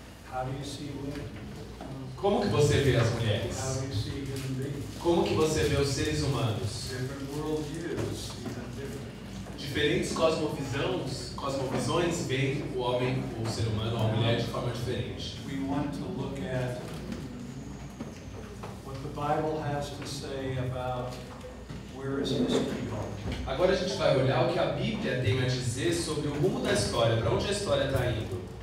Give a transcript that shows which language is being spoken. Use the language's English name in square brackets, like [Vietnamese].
[English] How do you see women? [Portuguese] Como que você vê as mulheres? [English] How do you see human beings? [Portuguese] Como que você vê os seres humanos? [English] Different worldviews, even different. [Portuguese] Diferentes cosmovisões. Cosmovisões veem o homem, o ser humano, a mulher de forma diferente. [English] We want to look at what the Bible has to say about where is history going. [Portuguese] Agora a gente vai olhar o que a Bíblia tem a dizer sobre o rumo da história, para onde a história está indo.